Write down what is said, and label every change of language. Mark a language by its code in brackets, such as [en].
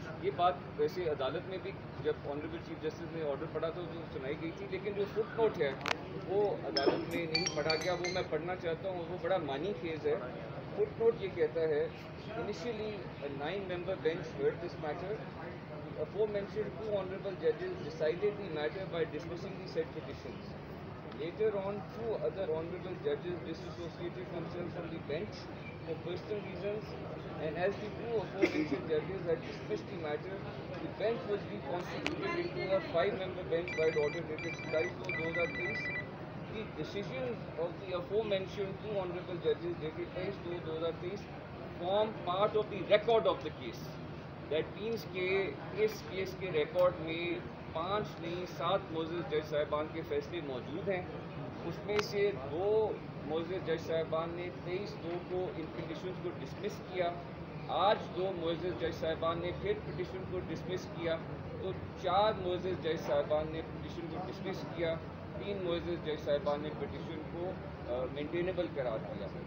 [ur] یہ بات ویسے عدالت میں بھی جب آنریبل چیف جسٹس نے آرڈر پڑھا تو سنائی گئی تھی, لیکن جو فٹ نوٹ ہے وہ عدالت میں نہیں پڑھا گیا, وہ میں پڑھنا چاہتا ہوں. وہ بڑا مانی کیس ہے. فٹ نوٹ یہ کہتا ہے, انیشیلی 9 ممبر بینچ ہیئرڈ دس میٹر, فور مینشنڈ 2 آنریبل ججز decided the matter by dismissing the set petitions. [en] Later on, 2 other honorable judges disassociated themselves from the bench for personal reasons, and as the 2 aforementioned judges had dismissed the matter, the bench was reconstituted into a 5-member bench by the order dated 23/2/2023. The decisions of the aforementioned 2 honorable judges dated 23/2/2023 form part of the record of the case. That means [ur] ke is case ke record mein 5 نہیں 7 معزز جج صاحبان کے فیصلے موجود ہیں. اس میں سے 2 معزز جج صاحبان نے 23/2 کو ان پٹیشنز کو ڈسمس کیا, آج 2 معزز جج صاحبان نے پھر پٹیشن کو ڈسمس کیا, تو 4 معزز جج صاحبان نے پٹیشن کو ڈسمس کیا, 3 معزز جج صاحبان نے پٹیشن کو مینٹینیبل کرا دیا.